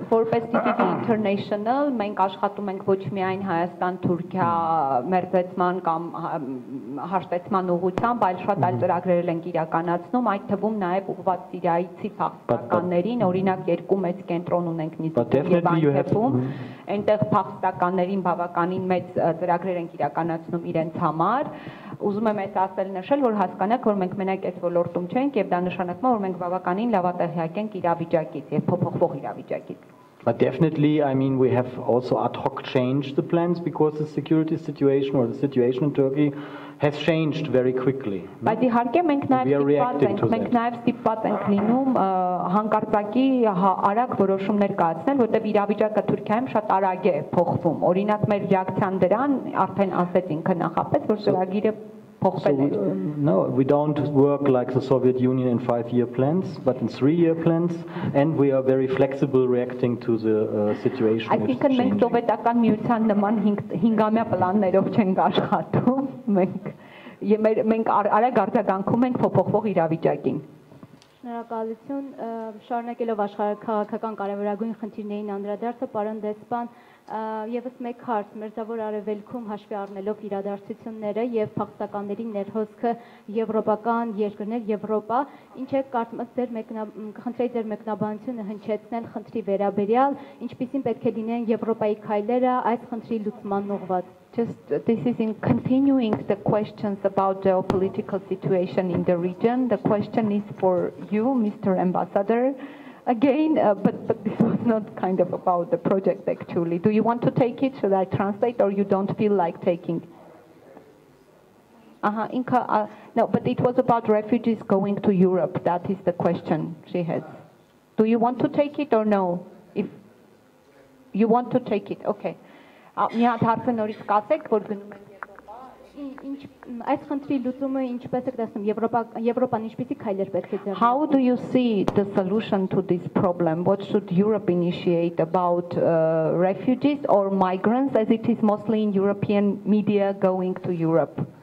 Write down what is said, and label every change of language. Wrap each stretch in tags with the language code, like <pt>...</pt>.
<en>For PSTTV International,</en> <hy>մենք աշխատում ենք ոչ միայն Հայաստան-Թուրքիա մերձեցման կամ հաշտեցման ուղղությամբ, այլ շատ այլ ծրագրեր ենք իրականացնում, այդ թվում նաև ուղղված Սիրիայի փախստականներին, օրինակ երկու մեծ կենտրոն ունենք Նիզիպում, այնտեղ փախստականներին բավականին մեծ ծրագրեր ենք իրականացնում իրենց համար։ Ուզում եմ այս ասել նշել, որ հասկանաք, որ մենք մենակ այդ ոլորտում չենք եւ դա նշանակում է, որ մենք բավականին լավ տեղյակ ենք իրավիճակից եւ փոփոխվող իրավիճակից։</hy> <en>But definitely, I mean, we have also ad hoc changed the plans because the security situation or the situation in Turkey has changed very quickly. But the</en> <hy>harke մենք նաեւ ստիպված ենք լինում հանկարծակի արագ որոշումներ կայացնել, որտեղ իրավիճակը Թուրքիայում շատ արագ է փոխվում։ Օրինակ մեր ռեակցիան դրան արդեն ասեց ինքը նախապես, որ ծրագիրը</hy> <en>No, we don't work like the Soviet Union in five-year plans, but in three-year plans, and we are very flexible reacting to the situation. I think that</en> <hy>մենք սովետական միության նման հինգամյա պլաններով չենք աշխատում, մենք արագ արձագանքում ենք փոփոխվող իրավիճակին։ Շնորհակալություն, շարունակելով աշխարհակաղակական կարևորագույն խնդիրներին անդրադարձը, պարոն դեսպան, եւս մեկ հարց, մերձավոր արևելքում հաշվի առնելով իրադարձությունները եւ փախստականների ներհոսքը եվրոպական երկրներ, Եվրոպա, ինչ է կարծում եք ձեր խնդրի ձեր մեկնաբանությունը հնչեցնել խնդրի վերաբերյալ, ինչպիսին պետք է լինեն Եվրոպայի քայլերը այդ խնդրի լուծման ուղղված։</hy> <en>Just this is in continuing the questions about the geopolitical situation in the region. The question is for you, Mr. Ambassador. Again, but this was not kind of about the project actually. Do you want to take it? Should I translate, or you don't feel like taking? No, but it was about refugees going to Europe. That is the question she has. Do you want to take it or no? If you want to take it, okay.</en> <hy>Մի հատ հարցը նորից կասեք, որ գնում եք ինչ այս խնդրի լուծումը ինչպես եք դասում Եվրոպան ինչպիսի քայլեր պետք է ձեռնարկի</hy> <en>How do you see the solution to this problem? What should Europe initiate about refugees or migrants as it is mostly in European media going to Europe?</en>